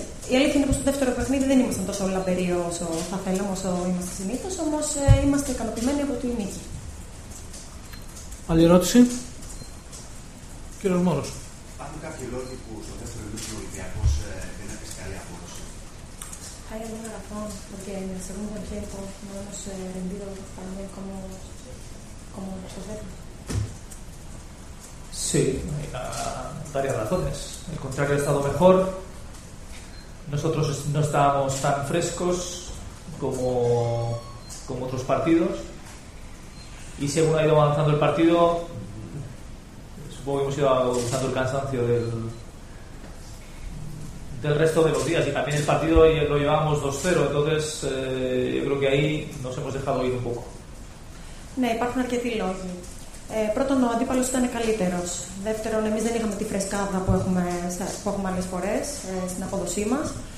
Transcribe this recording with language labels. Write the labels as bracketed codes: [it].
[el] Η αλήθεια είναι πως στο δεύτερο παιχνίδι δεν ήμασταν τόσο λαμπεροί όσο θα θέλαμε, όσο είμαστε συνήθως, όμως είμαστε ικανοποιημένοι από την νίκη. Άλλη ερώτηση. Κύριος Μόρος. Υπάρχουν κάποιοι λόγοι που στο δεύτερο λεπτό ο Ολυμπιακός δεν έπαιξε καλή απόδοση. [es] Hay alguna razón porque en el segundo tiempo no hemos rendido tan bien como los otros. Sí, hay varias razones. El contrario ha estado mejor. Nosotros no estábamos tan frescos como otros partidos. Y según ha ido avanzando el partido, supongo que hemos ido usando el cansancio del resto de los días, y también el partido lo llevábamos 2-0, entonces yo creo que ahí nos hemos dejado ir un poco. [el] Ναι, υπάρχουν αρκετοί λόγοι. Πρώτον, ο αντίπαλος ήταν καλύτερος. Δεύτερον, εμείς δεν είχαμε τη φρεσκάδα που έχουμε άλλες φορές στην απόδοσή μας.